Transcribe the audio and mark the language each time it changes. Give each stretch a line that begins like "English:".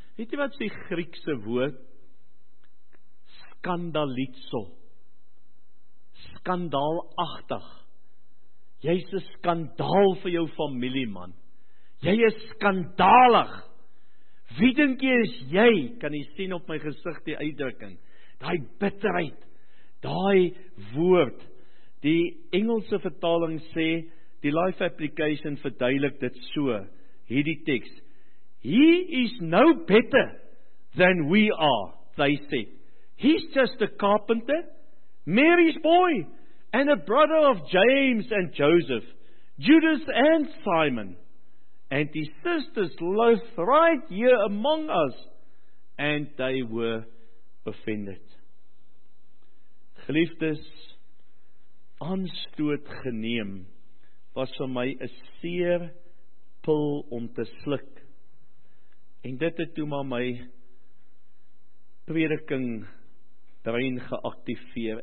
Afrikaans: Weet jy wat is die Griekse woord? Skandalizo, skandaalagtig, jy is 'n skandaal vir jou familie, man, jy is skandalig, wie dink jy is jy, kan jy sien op my gesig die uitdrukking, die bitterheid, die woord. Die Engelse vertaling sê, die Life Application verduidelik dit so, hierdie tekst,
English: he is no better than we are, they said, he's just a carpenter, Mary's boy, and a brother of James and Joseph, Judas and Simon, and his sisters lived right here among us, and they were offended.
Afrikaans: Geliefdes, aanstoot geneem was vir my 'n seer pil om te sluk, en dit het toe maar my prediking brein geaktiveer.